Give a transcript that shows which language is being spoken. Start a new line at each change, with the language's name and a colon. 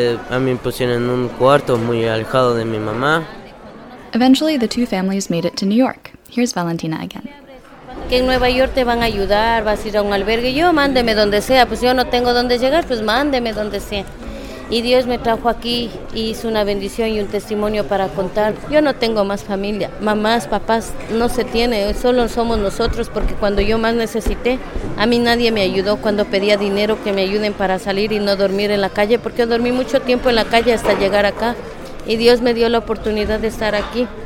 Spanish: A mí me pusieron en un cuarto muy alejado de mi mamá.
English: Eventually, the two families made it to New York. Here's Valentina again.
Spanish: Que en Nueva York te van a ayudar, vas a ir a un albergue. Yo, mándeme donde sea, pues yo no tengo dónde llegar, pues mándeme donde sea. y Dios me trajo aquí y hizo una bendición y un testimonio para contar. Yo no tengo más familia, mamás, papás, no se tiene, solo somos nosotros, porque cuando yo más necesité, a mí nadie me ayudó cuando pedía dinero que me ayuden para salir y no dormir en la calle, porque dormí mucho tiempo en la calle hasta llegar acá y Dios me dio la oportunidad de estar aquí.